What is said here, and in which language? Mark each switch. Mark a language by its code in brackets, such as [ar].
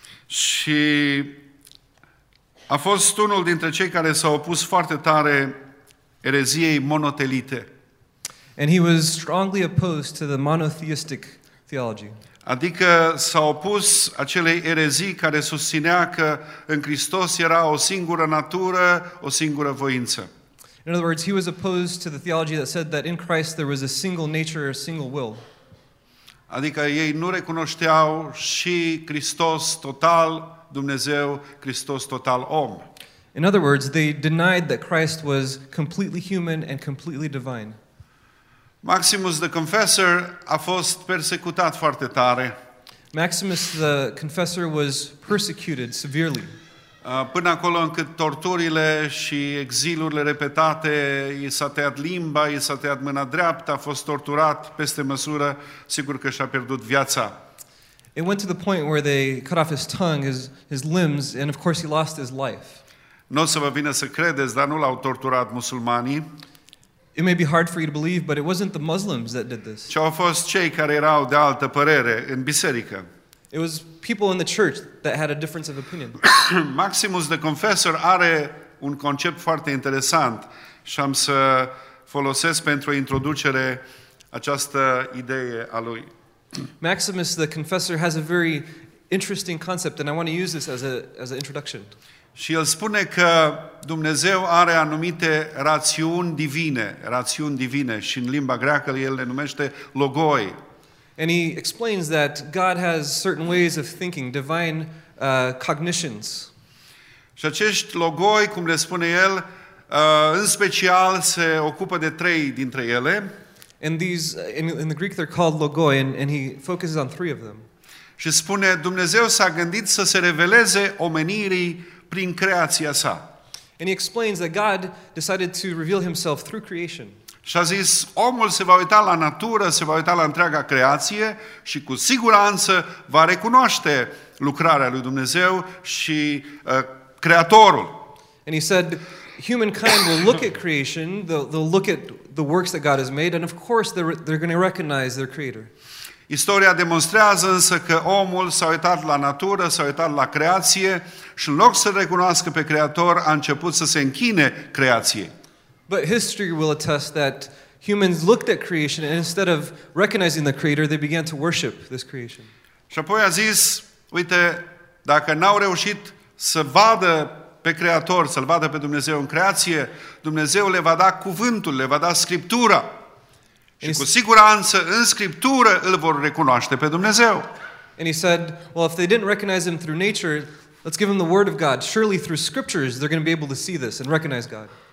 [ro] Și a fost unul dintre cei care s-au opus foarte tare ereziei monotelite. [en] And he was strongly opposed to the monotheistic theology. [ro] Adică s-a opus acelei erezii care susținea că în Hristos era o singură natură, o singură voință. [en] In other words, he was opposed to the theology that said that in Christ there was a single nature, a single will. [ro] Adică ei nu recunoșteau și Hristos total Dumnezeu, Hristos total om. [en] In other words, they denied that Christ was completely human and completely divine. [ro] Maximus the Confessor a fost persecutat foarte tare. [en] Maximus the Confessor was persecuted severely. [ro] Până acolo încât torturile și exilurile repetate, i s-a tăiat limba, i s-a tăiat mâna dreaptă, a fost torturat peste măsură, sigur că și-a pierdut viața. [en] It went to the point where they cut off his tongue, his limbs, and of course he lost his life. [ro] Nu o să vă vină să credeți, dar nu l-au torturat musulmanii. [en] It may be hard for you to believe, but it wasn't the Muslims that did this. [ro] Ci au fost cei care erau de altă părere în biserică. [en] It was people in the church that had a difference of opinion. [ro] Maximus the Confessor are un concept foarte interesant și am să folosesc pentru introducere această idee a lui. [en] Maximus the Confessor has a very interesting concept and I want to use this as an introduction. [ro] Și el spune că Dumnezeu are anumite rațiuni divine, rațiuni divine, și în limba greacă el le numește logoi. [en] And he explains that God has certain ways of thinking, divine cognitions. [ro] Și acești logoi, cum le spune el, în special se ocupă de trei dintre ele. [en] And these, in the Greek they're called logoi, and he focuses on three of them. [ro] Și spune, Dumnezeu s-a gândit să se reveleze omenirii prin creația sa. [en] And he explains that God decided to reveal himself through creation. [ro] Și a zis, omul se va uita la natură, se va uita la întreaga creație și cu siguranță va recunoaște lucrarea lui Dumnezeu și Creatorul. [en] And he said, humankind will look at creation, they'll look at the works that God has made, and of course they're going to recognize their Creator. [ro] Istoria demonstrează însă că omul s-a uitat la natură, s-a uitat la creație și în loc să recunoască pe Creator, a început să se închine creației. [en] But history will attest that humans looked at creation and instead of recognizing the Creator, they began to worship this creation. [ro] Și apoi a zis, uite, dacă n-au reușit să vadă pe Creator, să-L vadă pe Dumnezeu în creație, Dumnezeu le va da cuvântul, le va da Scriptura. Și cu siguranță în Scriptură îl vor recunoaște pe Dumnezeu. [en] And he said, well, if they didn't recognize him through nature, let's give them the word of God. Surely through scriptures they're going to be able to see this and recognize God.